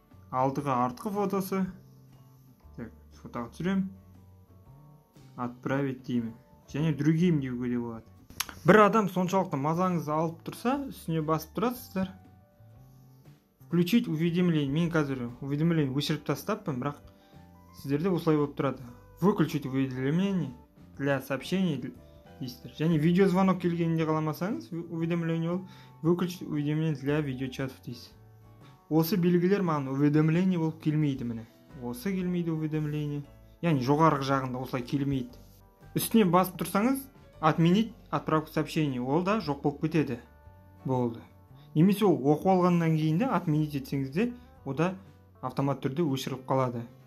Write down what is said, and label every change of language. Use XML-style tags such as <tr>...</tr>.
<kk>Алдыға артқы фотосы. Так, фотоға түсірем.</kk> <ru>Отправить</ru> <kk>деймін. Және другим деуге де болады. Бір адам соншалықты мазаңызды алып тұрса, үстіне басып тұрасыздар.</kk> <ru>Включить уведомление.</ru> <kk>Мен қазір уведомление өшіріп тастаппын, бірақ сіздерде осылай болып тұрады.</kk> <ru>Выключить уведомление для сообщений</ru> <kk>дейсіздер. Және видеозвонок келгенінде қаламасаңыз, уведомление ол.</kk> <ru>Выключить уведомление для видеочатов</ru> <kk>дейсіз. Осы белгілер маған уведомление болып келмейді міне. Осы келмейді уведомление. Яғни жоғарғы жағында осылай келмейді. Үстіне басып тұрсаңыз,</kk> <ru>отменить отправку сообщений.</ru> <kk>Ол да жоқ болып кетеді. Болды. Немесе ол оқу алғаннан кейінде отменить етсеңізде, ода автомат түрде өшіріліп қалады.</kk>